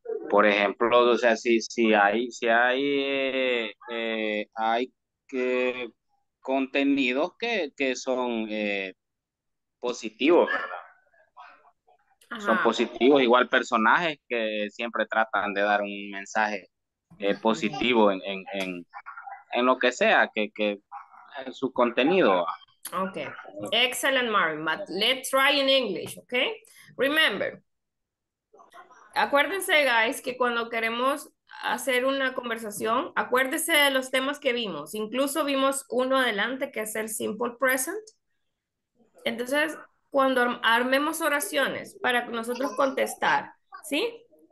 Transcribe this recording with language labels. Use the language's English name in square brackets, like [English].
[Spanish] Por ejemplo, o sea, si hay que contenidos que son positivos, ¿verdad? Ajá. Son positivos, igual personajes que siempre tratan de dar un mensaje positivo en lo que sea, que en su contenido. [English] Ok, excellent, Marvin, but let's try in English, okay? Remember, [Spanish] Acuérdense, guys, que cuando queremos hacer una conversación, acuérdense de los temas que vimos. Incluso vimos uno adelante, que es el simple present. Entonces, cuando armemos oraciones para nosotros contestar, ¿sí?